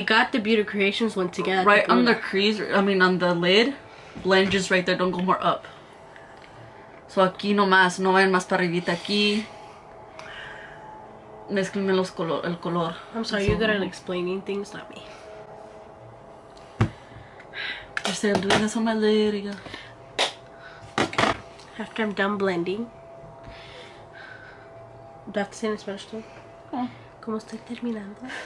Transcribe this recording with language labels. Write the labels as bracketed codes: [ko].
[en] Beauty Creations one together. Right on the crease, I mean on the lid, blend just right there, don't go more up. [es] So aquí nomás, no vayan más para arribita aquí. Mezclenme los color, el color. [en] I'm sorry, you're good at explaining things, not me. I said I'm doing this on my lid, yeah. Okay. After I'm done blending, do I have to say in Spanish too? Yeah. [es] ¿Cómo estoy terminando?